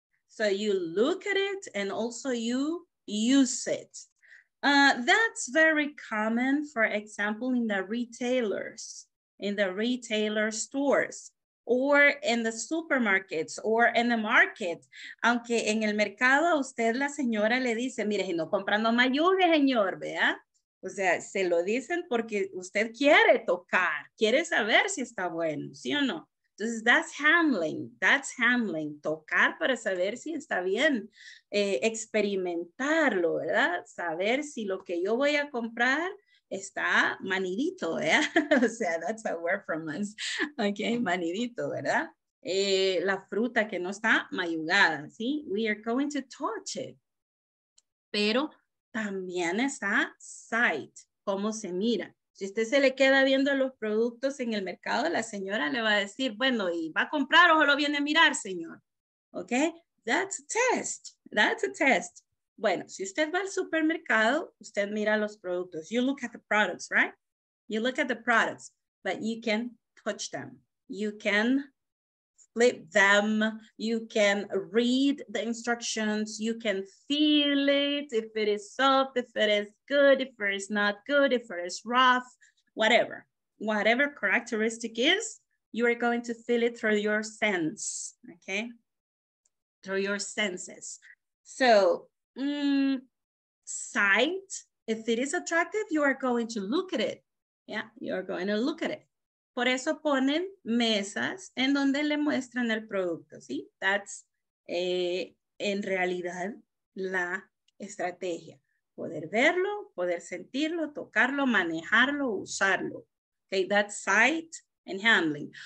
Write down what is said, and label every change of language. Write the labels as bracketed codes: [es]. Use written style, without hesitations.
[en] So you look at it and also you use it. That's very common, for example, in the retailers, stores. Or in the supermarkets, or in the market. [es] Aunque en el mercado a usted la señora le dice, mire, si no compra no mayugue, señor, vea. O sea, se lo dicen porque usted quiere tocar, quiere saber si está bueno, ¿sí o no? Entonces, [en] that's handling. [es] Tocar para saber si está bien. Experimentarlo, ¿verdad? Saber si lo que yo voy a comprar está manidito, ¿eh? [en] O sea, that's a word from us. Okay, manidito, ¿verdad? [es] La fruta que no está mayugada, ¿sí? [en] We are going to touch it. [es] Pero también está sight, cómo se mira. Si usted se le queda viendo los productos en el mercado, la señora le va a decir, bueno, ¿y va a comprar o lo viene a mirar, señor? [en] Okay, that's a test. [es] Bueno, si usted va al supermercado, usted mira los productos. [en] You look at the products, right? You look at the products, but you can touch them. You can flip them. You can read the instructions. You can feel it, if it is soft, if it is good, if it is not good, if it is rough, whatever. Whatever characteristic is, you are going to feel it through your sense, okay? Through your senses. So, sight, if it is attractive, you are going to look at it. Yeah, you are going to look at it. [es] Por eso ponen mesas en donde le muestran el producto, ¿sí? That's, en realidad, la estrategia. Poder verlo, poder sentirlo, tocarlo, manejarlo, usarlo. [en] Okay, that's sight and handling.